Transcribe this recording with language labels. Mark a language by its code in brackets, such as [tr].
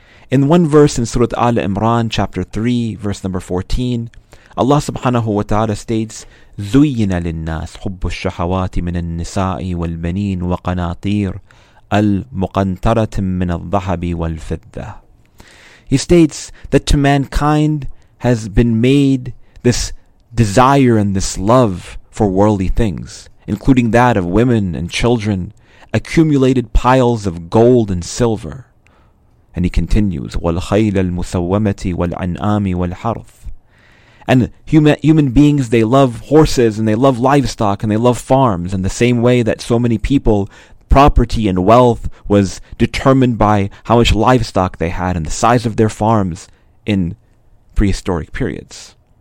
[en] In one verse in Surah Al-Imran, chapter 3, verse number 14, Allah subhanahu wa ta'ala states, [ar] زُيِّنَ لِلنَّاسِ حُبُّ الشَّحَوَاتِ مِنَ النِّسَاءِ وَالْبَنِينَ وَقَنَاطِيرِ الْمُقَنْتَرَةِ مِنَ الظَّهَبِ وَالْفِدَّةِ. [en] He states that to mankind has been made this desire and this love for worldly things, including that of women and children, accumulated piles of gold and silver. And he continues, [ar] وَالْخَيْلَ الْمُسَوَّمَةِ وَالْعَنْآمِ وَالْحَرْثِ. [en] And human beings, they love horses and they love livestock and they love farms in the same way that so many people, property and wealth was determined by how much livestock they had and the size of their farms in prehistoric periods.